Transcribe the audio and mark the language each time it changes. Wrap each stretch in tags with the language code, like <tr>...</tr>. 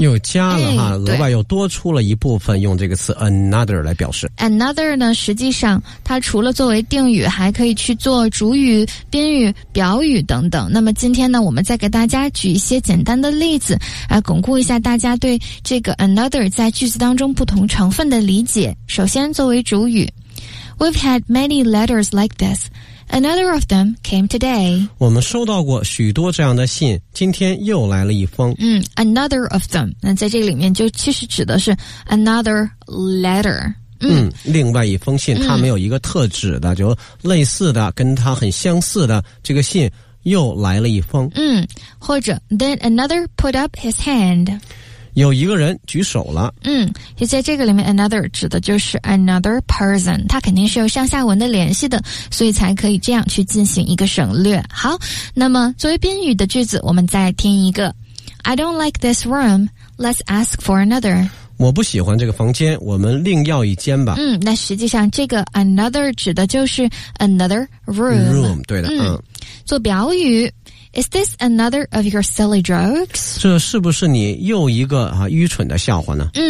<zh>又加了哈，额外又多出了一部分，用这个词 another 来表示。 another 呢，实际上它除了作为定语，还可以去做主语、宾语、表语等等。那么今天呢，我们再给大家举一些简单的例子，来巩固一下大家对这个 another 在句子当中不同成分的理解。首先，作为主语</zh> <en>，We've had many letters like this. Another of them came today.</en> <zh>我们收到过许多这样的信，今天又来了一封。 Another of them， 那在这里面就其实指的是 another letter。另外一封信，它没有一个特指的，就类似的，跟它很相似的这个信又来了一封。</zh> <en>或者 then another put up his hand。</en> <zh>有一个人举手了。其实在这个里面 another 指的就是 another person， 它肯定是有上下文的联系的，所以才可以这样去进行一个省略。好，那么作为宾语的句子，我们再听一个。</zh> <en>I don't like this room， let's ask for another。</en> <zh>我不喜欢这个房间，我们另要一间吧。那实际上这个 another 指的就是 another room。 room， 对的。做表语，</zh> <en>Is this another of your silly jokes?</en> <zh>这是不是你又一个愚蠢的笑话呢？</zh>